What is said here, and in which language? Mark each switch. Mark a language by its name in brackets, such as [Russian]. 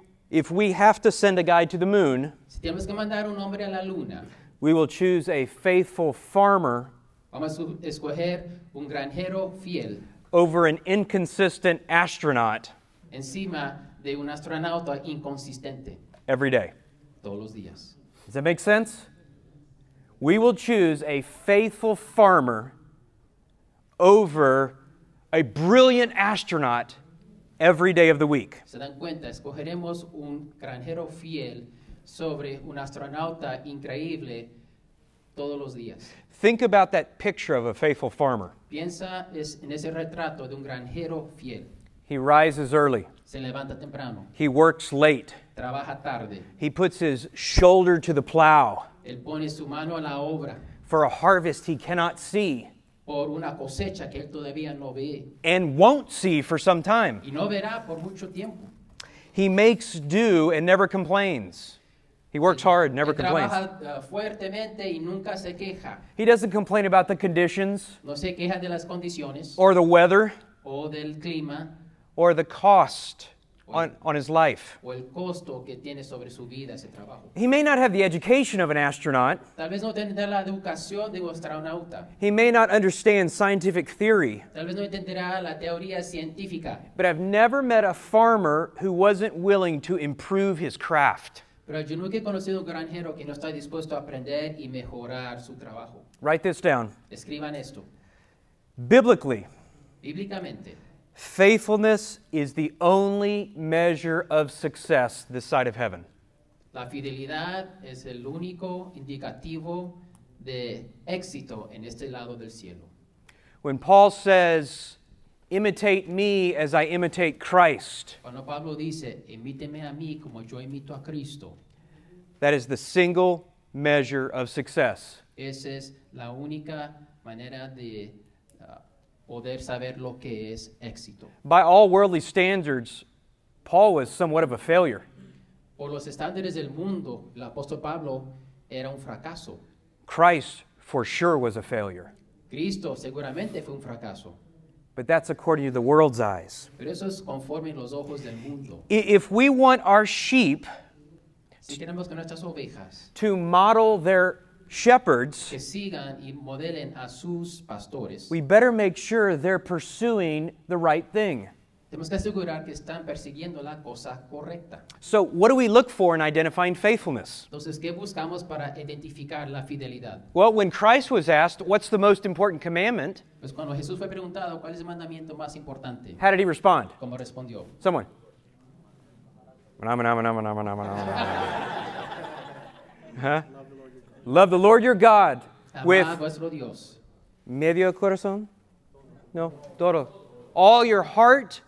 [English] If we have to send a guy to the moon, [Spanish] si tenemos que mandar un hombre a la luna, [English] we will choose a faithful farmer [Spanish] vamos a escoger un granjero fiel [English] over an inconsistent astronaut [Spanish] encima de un astronauta inconsistente [English] every day. [Spanish] Todos los días. [English] Does that make sense? We will choose a faithful farmer over a brilliant astronaut every day of the week. [Spanish] ¿Se dan cuenta? Escogeremos un granjero fiel sobre un astronauta increíble todos los días. [English] Think about that picture of a faithful farmer. [Spanish] Piensa en ese retrato de un granjero fiel. [English] He rises early. [Spanish] Se levanta temprano. [English] He works late. [Spanish] Trabaja tarde. [English] He puts his shoulder to the plow. [Spanish] Él pone su mano a la obra. [English] For a harvest he cannot see. [Spanish] Por una cosecha que él todavía no ve. [English] And won't see for some time. [Spanish] Y no verá por mucho tiempo. [English] He makes do and never complains. He works hard, never complains. [Spanish] Trabaja fuertemente y nunca se queja. [English] He doesn't complain about the conditions. [Spanish] No se queja de las condiciones. [English] Or the weather. [Spanish] O del clima. [English] Or the cost on his life. [Spanish] O el costo que tiene sobre su vida, ese trabajo. [English] He may not have the education of an astronaut. [Spanish] Tal vez no tendrá la educación de un astronauta. [English] He may not understand scientific theory. [Spanish] Tal vez no entenderá la teoría científica. [English] But I've never met a farmer who wasn't willing to improve his craft. [Spanish] Pero yo nunca he conocido un granjero que no está dispuesto a aprender y mejorar su trabajo. [English] Write this down. [Spanish] Escriban esto. [English] Biblically. [Spanish] Bíblicamente. [English] Faithfulness is the only measure of success this side of heaven. [Spanish] La fidelidad es el único indicativo de éxito en este lado del cielo. [English] When Paul says, imitate me as I imitate Christ. [Spanish] Cuando Pablo dice, imíteme a mí como yo imito a Cristo. [English] That is the single measure of success. [Spanish] Esa es la única manera de poder saber lo que es éxito. [English] By all worldly standards, Paul was somewhat of a failure. [Spanish] Por los estándares del mundo, el apóstol Pablo era un fracaso. [English] Christ for sure was a failure. [Spanish] Cristo seguramente fue un fracaso. [English] But that's according to the world's eyes. [Spanish] Pero eso es conforme los ojos del mundo. [English] If we want our sheep [Spanish] si queremos que nuestras ovejas [English] to model their shepherds, [Spanish] que sigan y modelen a sus pastores, [English] we better make sure they're pursuing the right thing. [Spanish] Tenemos que asegurar que están persiguiendo la cosa correcta. [English] So what do we look for in identifying faithfulness? [Spanish] Entonces, ¿qué buscamos para identificar la fidelidad? [English] Well, when Christ was asked, what's the most important commandment? [Spanish] Pues cuando Jesús fue preguntado, ¿cuál es el mandamiento más importante? [English] How did he respond? [Spanish] ¿Cómo respondió? [English] Someone. Huh? Love the Lord your God with [Spanish] medio corazón, no, todo, [English] all your heart,